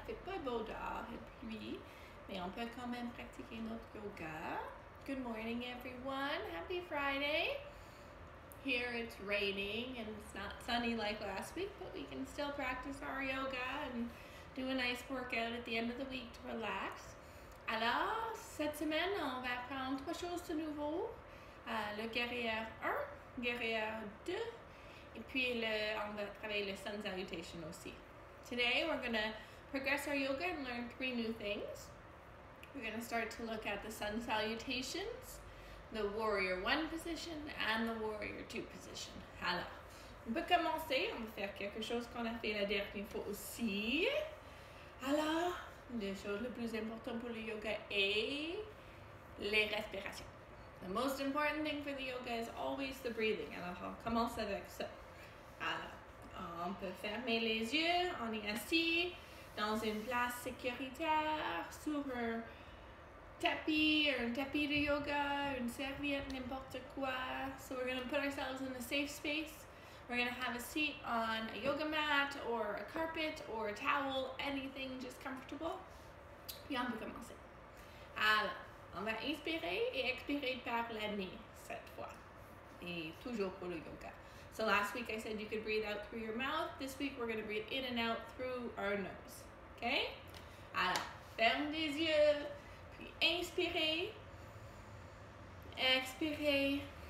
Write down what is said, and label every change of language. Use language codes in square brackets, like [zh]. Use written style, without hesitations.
[fr] C'est pas beau dehors et pluie, mais on peut quand même pratiquer notre yoga. [en] Good morning, everyone! Happy Friday! Here it's raining and it's not sunny like last week, but we can still practice our yoga and do a nice workout at the end of the week to relax. [fr] Alors, cette semaine, on va apprendre trois choses de nouveau. Le guerrier 1, guerrier 2, et puis on va travailler le [en] sun salutation [fr] aussi. [en] Today, we're going to progress our yoga and learn three new things. We're going to start to look at the sun salutations, the warrior 1 position, and the warrior 2 position. [fr] Alors, on peut commencer, on va faire quelque chose qu'on a fait la dernière fois aussi. Alors, les choses les plus importantes pour le yoga est les respirations. [en] The most important thing for the yoga is always the breathing. [fr] Alors, on commence avec ça. Alors, on peut fermer les yeux, on est assis dans une place sécuritaire, sur un tapis, or un tapis de yoga, une serviette, n'importe quoi. [en] So we're going to put ourselves in a safe space. We're going to have a seat on a yoga mat, or a carpet, or a towel, anything just comfortable. [fr] Puis on peut commencer. Alors, on va inspirer et expirer par la nez cette fois. Et toujours pour le yoga. [en] So last week I said you could breathe out through your mouth. This week we're going to breathe in and out through our nose. [fr] Okay? Alors, ferme les yeux. Puis inspirez. Expirez.